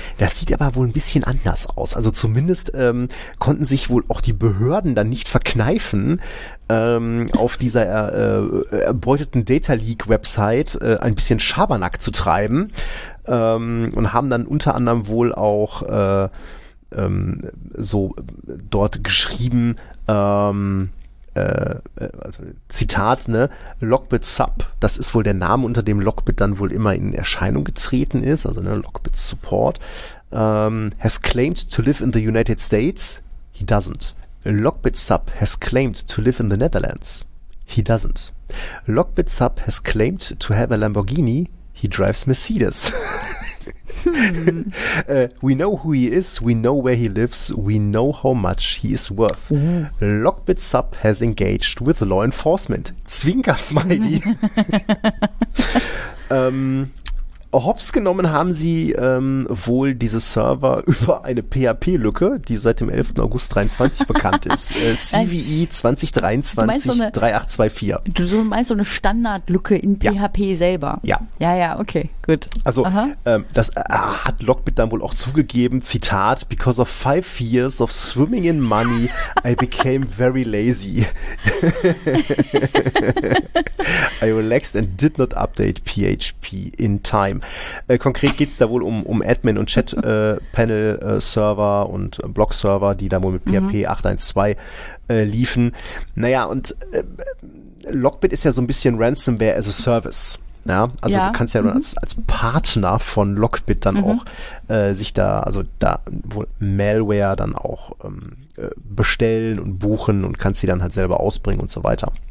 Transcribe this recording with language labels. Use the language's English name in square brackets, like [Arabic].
[German] Das sieht aber wohl ein bisschen anders aus. Also zumindest konnten sich wohl auch die Behörden dann nicht verkneifen, auf dieser erbeuteten Data Leak Website ein bisschen Schabernack zu treiben und haben dann unter anderem wohl auch so dort geschrieben, also Zitat, ne, Lockbit Sub, das ist wohl der Name, unter dem Lockbit dann wohl immer in Erscheinung getreten ist, also ne, Lockbit Support, [English] has claimed to live in the United States, he doesn't. Lockbit Sub has claimed to live in the Netherlands, he doesn't. Lockbit Sub has claimed to have a Lamborghini, he drives Mercedes. we know who he is, we know where he lives, we know how much he is worth. Mhm. Lockbit Sub has engaged with law enforcement. [German] Zwinker-Smiley. hops genommen haben sie wohl diese Server über eine PHP-Lücke, die seit dem 11. August 23 bekannt ist. CVE 2023-3824. Du meinst so eine Standardlücke in PHP selber? Ja. Ja, okay, gut. Also hat Lockbit dann wohl auch zugegeben, [English] Zitat, because of 5 years of swimming in money, I became very lazy. I relaxed and did not update PHP in time. [German] Konkret geht es da wohl um Admin- und Chat-Panel-Server und Blog-Server, die da wohl mit PHP 8.1.2 liefen. Naja, und Lockbit ist ja so ein bisschen Ransomware as a Service. Ja? Also ja. Du kannst ja als Partner von Lockbit dann auch sich da, also da wohl Malware dann auch bestellen und buchen und kannst sie dann halt selber ausbringen und so weiter.